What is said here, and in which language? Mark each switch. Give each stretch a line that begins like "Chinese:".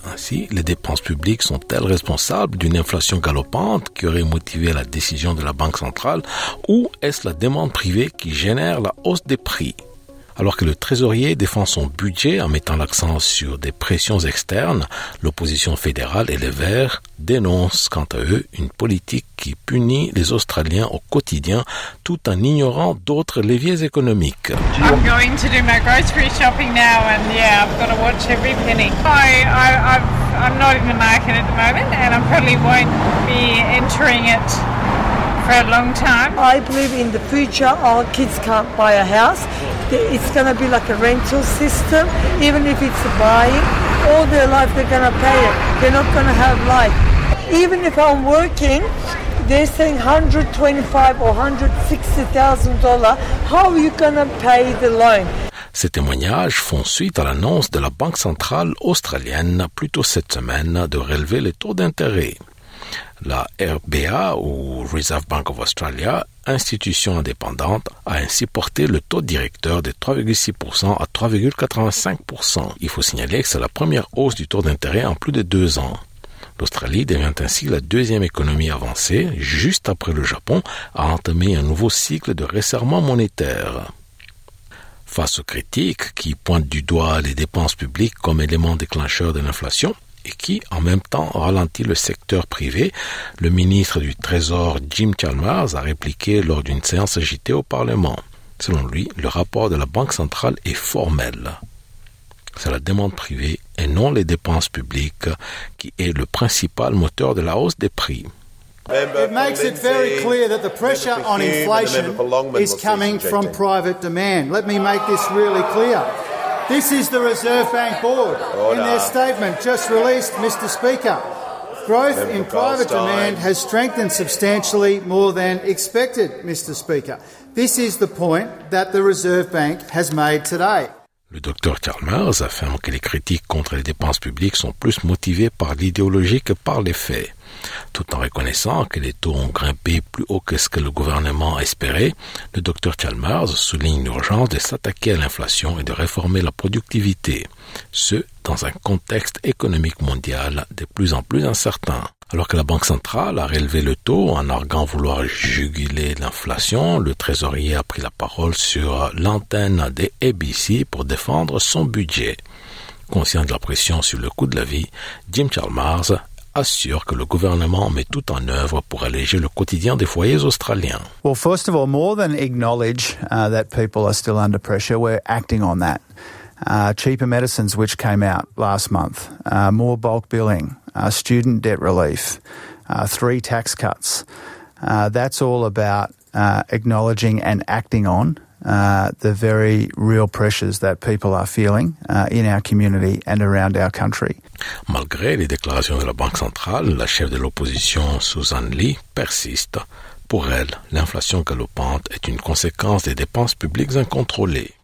French: Ainsi, les dépenses publiques sont-elles responsables d'une inflation galopante qui aurait motivé la décision de la Banque centrale ou est-ce la demande privée qui génère la hausse des prix? Alors que le trésorier défend son budget en mettant l'accent sur des pressions externes, l'opposition fédérale et les Verts dénoncent quant à eux une politique qui punit les Australiens au quotidien tout en ignorant d'autres leviers économiques.
English: I'm going to do my grocery shopping now and yeah, I've got to watch every penny. I'm not in the market at the moment and I probably won't be entering it for a long time. I believe in the future our kids can't buy a house. It's going to be like a rental system, even if it's buying, all their life they're going to pay it. They're not going to have life. Even if I'm working, they're saying $125,000 or $160,000. How are you going to pay the loan?
French: Ces témoignages font suite à l'annonce de la Banque centrale australienne plus tôt cette semaine de relever les taux d'intérêt. La RBA, ou Reserve Bank of Australia, institution indépendante, a ainsi porté le taux directeur de 3,6% à 3,85%. Il faut signaler que c'est la première hausse du taux d'intérêt en plus de deux ans. L'Australie devient ainsi la deuxième économie avancée, juste après le Japon, à entamer un nouveau cycle de resserrement monétaire. Face aux critiques qui pointent du doigt les dépenses publiques comme élément déclencheur de l'inflation, et qui, en même temps, ralentit le secteur privé. Le ministre du Trésor, Jim Chalmers, a répliqué lors d'une séance agitée au Parlement. Selon lui, le rapport de la Banque centrale est formel. C'est la demande privée et non les dépenses publiques qui est le principal moteur de la hausse des prix.
English: It makes it very clear that the pressure on inflation is coming from private demand. Let me make this really clear. This is the Reserve Bank Board in their statement just released, Mr. Speaker. Growth in private demand has strengthened substantially more than expected, Mr. Speaker. This is the point that the Reserve Bank has made today.
French: Le docteur Karl Marx affirme que les critiques contre les dépenses publiques sont plus motivées par l'idéologie que par les faits. Tout en reconnaissant que les taux ont grimpé plus haut que ce que le gouvernement espérait, le docteur Chalmers souligne l'urgence de s'attaquer à l'inflation et de réformer la productivité, ce dans un contexte économique mondial de plus en plus incertain. Alors que la Banque centrale a relevé le taux en arguant vouloir juguler l'inflation, le trésorier a pris la parole sur l'antenne des ABC pour défendre son budget. Conscient de la pression sur le coût de la vie, Jim Chalmers assure que le gouvernement met tout en œuvre pour alléger le quotidien des foyers australiens.
English: Well, first of all, more than acknowledge that people are still under pressure, we're acting on that. Cheaper medicines, which came out last month, more bulk billing, student debt relief, three tax cuts. That's all about acknowledging and acting on the very real pressures that people are feeling in our community and around our country.
French: Malgré les déclarations de la Banque centrale, la chef de l'opposition, Susan Lee, persiste. Pour elle, l'inflation galopante est une conséquence des dépenses publiques incontrôlées.